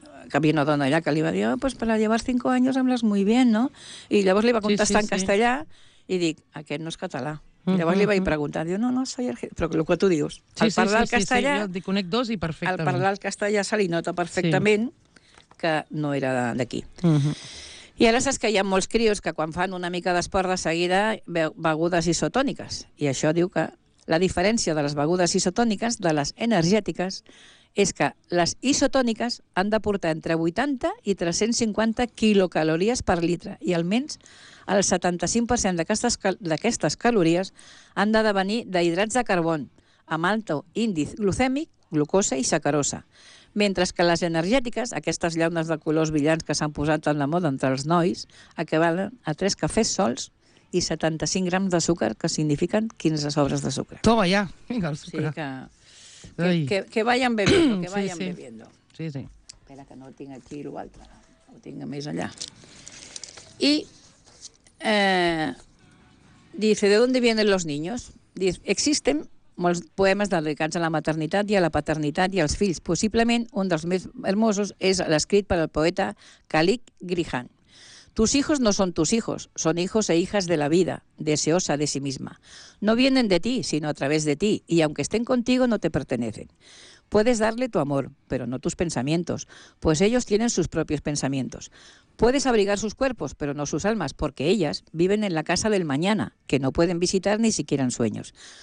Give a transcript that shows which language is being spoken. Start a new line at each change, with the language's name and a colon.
Catalan: Que havia una dona allà que li va dir,
Spanish: pues para llevar 5 años hablas muy bien, ¿no?
Catalan: I llavors li va contestar en castellà i dic, aquest no és català. Llavors li vaig preguntar, diu,
Spanish: no, soy argentino.
Catalan: Però el que tu dius, castellà... Sí, jo conec dos i perfectament. Al parlar el castellà se li nota perfectament que no era d'aquí. I ara saps que hi ha molts crios que quan fan una mica d'esport de seguida begudes isotòniques. I això diu que la diferència de les begudes isotòniques, de les energètiques, és que les isotòniques han de portar entre 80 i 350 quilocalories per litre i almenys el 75% d'aquestes calories han de devenir d'hidrats de carbon amb alt índex glucèmic, glucosa i sacarosa. Mentre que les energètiques, aquestes llaunes de colors brillants que s'han posat tan de moda entre els nois, equivalen a 3 cafès sols i 75 grams de sucre, que signifiquen 15 sobres de sucre. Toma ja, vinga, el sucre.
Spanish: Sí, que vayan bebiendo, Sí, sí.
Catalan: Espera, que no tinc aquí l'altre, ho tinc més allà.
Spanish: I dice, ¿de dónde vienen los niños? Dice,
Catalan: existen molts poemes dedicats a la maternitat i a la paternitat i als fills. Possiblement un dels més hermosos és l'escrit per el poeta Calic Grihan.
Spanish: Tus hijos no son tus hijos, son hijos e hijas de la vida, deseosa de sí misma. No vienen de ti, sino a través de ti, y aunque estén contigo no te pertenecen. Puedes darle tu amor, pero no tus pensamientos, pues ellos tienen sus propios pensamientos. Puedes abrigar sus cuerpos, pero no sus almas, porque ellas viven en la casa del mañana, que no pueden visitar ni siquiera en sueños.